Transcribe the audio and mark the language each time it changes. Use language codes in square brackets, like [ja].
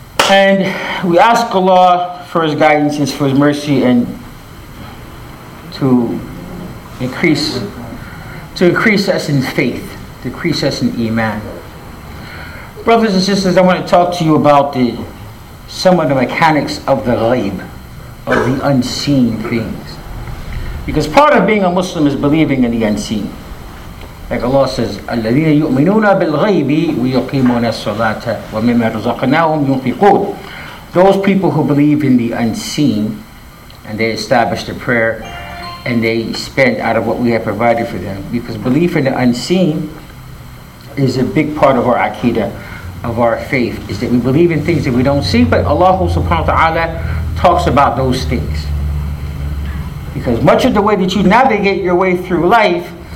[en] And we ask Allah for his guidance and for his mercy and to increase us in faith, to increase us in iman. Brothers and sisters, I want to talk to you about some of the mechanics of the ghaib, of the unseen things. Because part of being a Muslim is believing in the unseen. [ar] Like Allah says, الَّذِينَ يُؤْمِنُونَ بِالْغَيْبِ وَيُقِيمُونَ الصَّلَاةَ وَمِمَّا رَزَقْنَاهُمْ يُنْفِقُونَ. [en] Those people who believe in the unseen, and they establish the prayer, and they spend out of what we have provided for them. Because belief in the unseen is a big part of our aqidah, of our faith, is that we believe in things that we don't see, but Allah subhanahu wa ta'ala talks about those things. Because much of the way that you navigate your way through life